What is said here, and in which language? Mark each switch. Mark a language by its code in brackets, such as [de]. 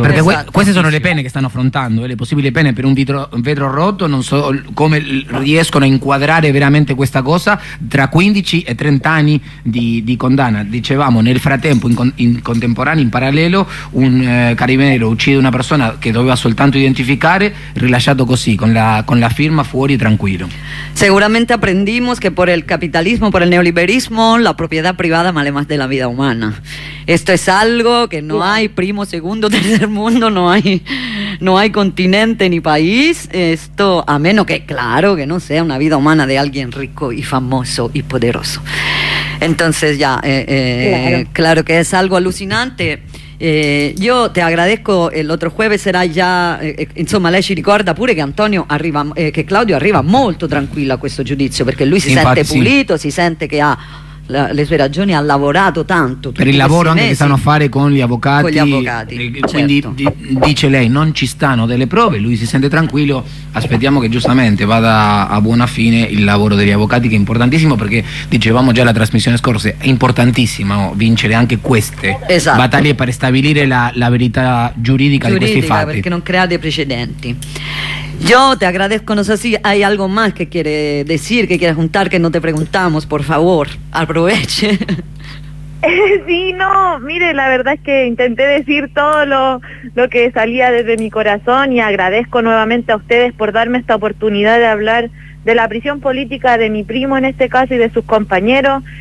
[it] Perché queste sono le pene che stanno affrontando, le possibili pene per un vetro rotto, non so come riescono a inquadrare veramente questa cosa, tra 15 e 30 anni di condanna. Dicevamo, nel frattempo, in contemporanea, in parallelo, un carabinero uccide una persona che doveva soltanto identificare, rilasciato così, con la firma fuori, tranquillo. [es] Seguramente aprendimos que por el capitalismo, por el neoliberismo, la propiedad privada vale más de la vida humana. Esto es algo que no hay primo, segundo, tercer mundo, no hay continente ni país. Esto, a menos que, claro, que no sea una vida humana de alguien rico y famoso y poderoso. Entonces ya, claro que es algo alucinante. [it] Io ti agradezco, l'altro jueves sarà già, insomma, lei ci ricorda pure che Antonio arriva, che Claudio arriva molto tranquillo a questo giudizio, perché lui si sente pulito, si sente che ha le sue ragioni, ha lavorato tanto per il lavoro anche che stanno a fare con gli avvocati quindi certo. Dice lei, non ci stanno delle prove, lui si sente tranquillo, aspettiamo che giustamente vada a buona fine il lavoro degli avvocati, che è importantissimo, perché dicevamo già la trasmissione scorsa, è importantissimo vincere anche queste battaglie per stabilire la verità giuridica di questi fatti, perché non crea dei precedenti. [es] Yo te agradezco, no sé si hay algo más que quiere decir, que quiere juntar, que no te preguntamos, por favor, aproveche. Sí, no, mire, la verdad es que intenté decir todo lo que salía desde mi corazón, y agradezco nuevamente a ustedes por darme esta oportunidad de hablar de la prisión política de mi primo en este caso y de sus compañeros.